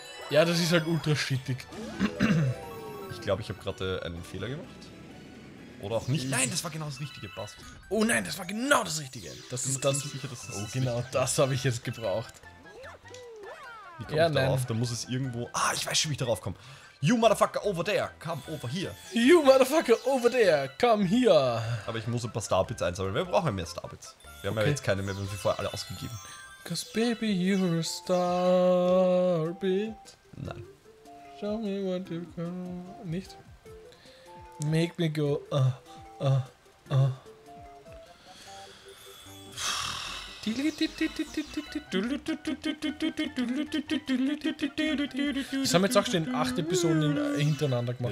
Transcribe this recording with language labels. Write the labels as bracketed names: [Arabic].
[German] Ja, das ist halt ultra shittig. Ich glaube, ich habe gerade einen Fehler gemacht. Oder auch nicht. Nein, das war genau das Richtige, passt. Oh nein, das war genau das Richtige. Das ist das. Sicher, das ist oh, das genau Richtige. Das habe ich jetzt gebraucht. Wie komme ich darauf? Da muss es irgendwo. Ah, ich weiß schon, wie ich darauf komme. [English] You motherfucker over there, come over here. You motherfucker over there, come here. [German] Aber ich muss ein paar Starbits einsammeln. Wir brauchen ja mehr Starbits. Wir haben ja jetzt keine mehr, wir haben sie vorher alle ausgegeben. [English] Cause baby, you're a Starbit. [German] Nein. [English] Show me what you can. [German] Nicht? [English] Make me go, [German] Das haben wir jetzt auch schon in 8 Episoden hintereinander gemacht,